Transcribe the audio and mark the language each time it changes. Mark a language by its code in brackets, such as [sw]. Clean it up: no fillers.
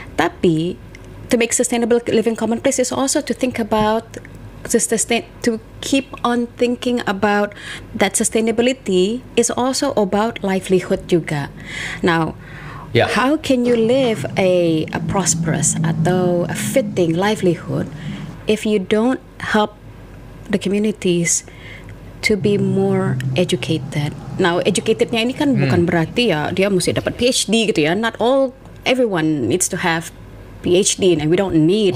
[en] Tapi to make sustainable living commonplace is also to think about to keep on thinking about that sustainability is also about livelihood juga. Now how can you live a prosperous atau a fitting livelihood if you don't help the communities to be more educated? [id] Now educatednya ini kan bukan berarti ya dia mesti dapat PhD gitu ya. [en] Not all everyone needs to have PhD, and we don't need.